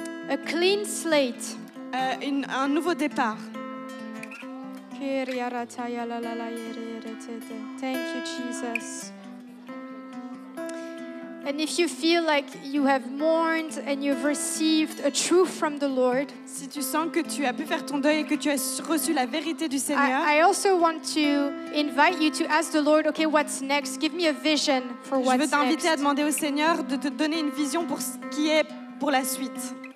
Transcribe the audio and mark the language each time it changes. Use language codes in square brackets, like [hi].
[en] A clean slate. [fr] Un nouveau départ. [en] Thank you, Jesus. And if you feel like you have mourned and you've received a truth from the Lord, [fr] si tu sens que tu as pu faire ton deuil et que tu as reçu la vérité du Seigneur, [en] I also want to invite you to ask the Lord, okay, what's next? Give me a vision for what's next. [fr] Je veux t'inviter à demander au Seigneur de te donner une vision pour ce qui est pour la suite.